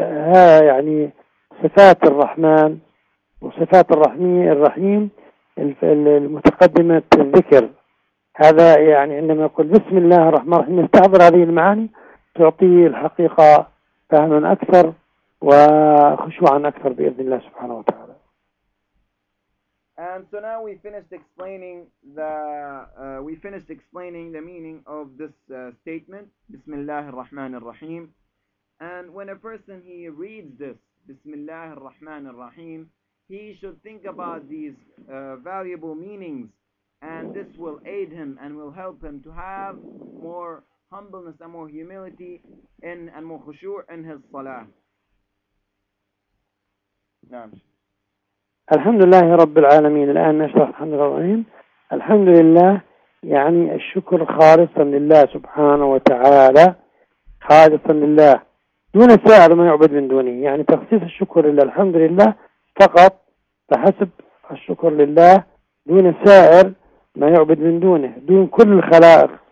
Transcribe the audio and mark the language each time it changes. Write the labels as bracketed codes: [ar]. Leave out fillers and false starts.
[ar] ها يعني صفات الرحمن وصفات الرحيم المتقدمة الذكر هذا يعني عندما يقول بسم الله الرحمن الرحيم يستحضر هذه المعاني تعطي الحقيقة فهما أكثر وخشوعا أكثر بإذن الله سبحانه وتعالى. [en] And so now we finished explaining the meaning of this statement, Bismillah ar-Rahman ar-Rahim. And when a person he reads this, Bismillah ar-Rahman ar-Rahim, he should think about these valuable meanings, and this will aid him and will help him to have more humbleness and more humility in and more khushu' in his salah. [ar] Naam. الحمد لله رب العالمين الآن نشرح الحمد للرحيم الحمد لله يعني الشكر خالصا لله سبحانه وتعالى خالصا لله دون سائر ما يعبد من دونه يعني تخصيص الشكر لله الحمد لله فقط فحسب الشكر لله دون سائر ما يعبد من دونه دون كل الخلائق